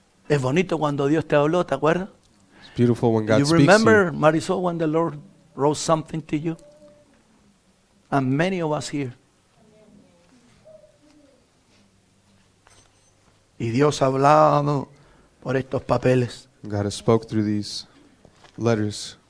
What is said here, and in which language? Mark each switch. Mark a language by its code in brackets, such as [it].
[es] Es bonito cuando Dios te habló, ¿te acuerdas? [en] It's beautiful when God you speaks remember, to you. Remember, Marisol, when the Lord wrote something to you? And many of us here. [es] Y Dios hablaba por estos papeles. [en] God has spoke through these letters.